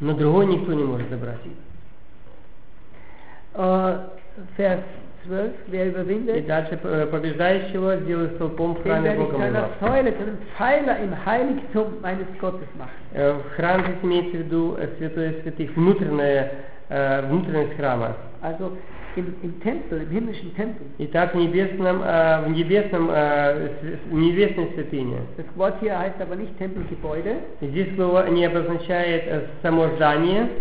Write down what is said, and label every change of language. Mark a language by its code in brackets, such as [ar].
[ru] Но другой никто не может забрать. [de] Vers 12, wer überwindet, [ru] и дальше побеждающего сделаю столпом в храме Бога моего. [de] Säule, einen Pfeiler im Heiligtum meines Gottes machen. [ru] Храм здесь имеется в виду святое святых, внутренняя, внутренность храма. [de] Also im Tempel, im himmlischen Tempel. [ru] Итак, в небесной святыне. [de] Das Wort hier heißt aber nicht Tempelgebäude. [ru] Здесь слово не обозначает само здание.